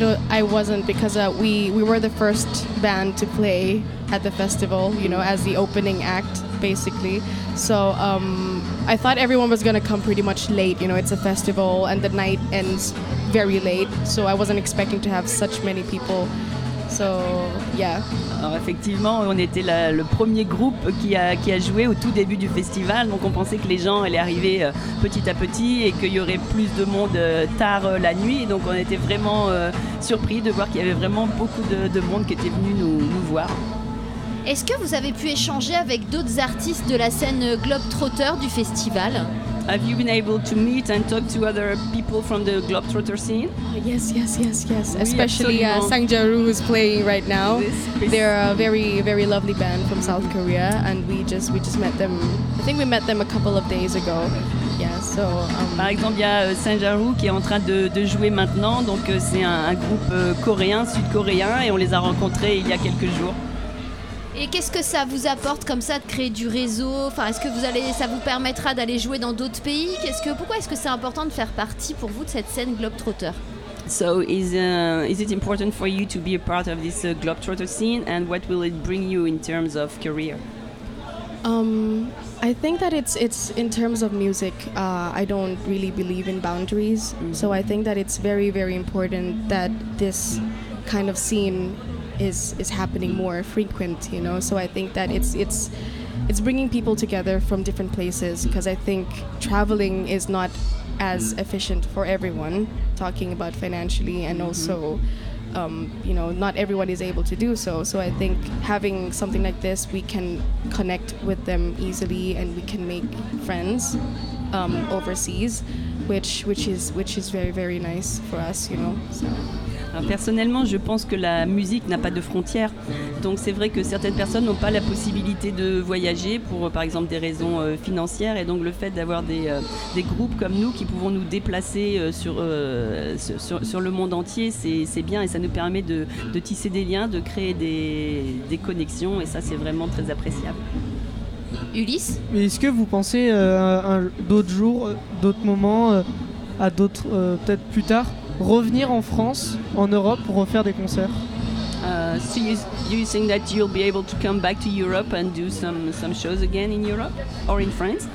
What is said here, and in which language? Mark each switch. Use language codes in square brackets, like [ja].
[en] I wasn't, because we were the first band to play at the festival, you know, as the opening act, basically. So I thought everyone was going to come pretty much late. You know, it's a festival, and the night ends very late. So I wasn't expecting to have such many people. So, yeah. [fr] Alors effectivement, on était le premier groupe qui a joué au tout début du festival, donc on pensait que les gens allaient arriver petit à petit et qu'il y aurait plus de monde tard la nuit, donc on était vraiment surpris de voir qu'il y avait vraiment beaucoup de monde qui était venu nous voir. Est-ce que vous avez pu échanger avec d'autres artistes de la scène Globetrotter du festival? [en] Have you been able to meet and talk to other people from the Globetrotter scene? Yes. Oui, especially Sang Jaru is playing right now. They're a very, very lovely band from South Korea, and we just met them. I think we met them a couple of days ago. Yeah. So. [fr] Par exemple, il y a Sang Jaru qui est en train de jouer maintenant. Donc c'est un groupe coréen, sud-coréen, et on les a rencontrés il y a quelques jours. Et qu'est-ce que ça vous apporte comme ça de créer du réseau? Enfin, est-ce que ça vous permettra d'aller jouer dans d'autres pays? Pourquoi est-ce que c'est important de faire partie pour vous de cette scène Globetrotter? [en] So is it important for you to be a part of this Globetrotter scene, and what will it bring you in terms of career? I think that it's in terms of music. I don't really believe in boundaries. Mm-hmm. So I think that it's very very important that this kind of scene is happening more frequent, you know. So I think that it's bringing people together from different places, because I think traveling is not as efficient for everyone, talking about financially, and also you know, not everyone is able to do so. So I think having something like this, we can connect with them easily, and we can make friends overseas, which is very very nice for us, you know. So. [fr] Alors personnellement, je pense que la musique n'a pas de frontières. Donc c'est vrai que certaines personnes n'ont pas la possibilité de voyager pour, par exemple, des raisons financières. Et donc le fait d'avoir des groupes comme nous qui pouvons nous déplacer sur le monde entier, c'est bien. Et ça nous permet de tisser des liens, de créer des connexions. Et ça, c'est vraiment très appréciable. Ulysse ? Mais est-ce que vous pensez d'autres jours, d'autres moments, à d'autres, peut-être plus tard, revenir en France, en Europe, pour refaire des concerts? [en] So you think that you'll be able to come back to Europe and do some shows again in Europe or in France?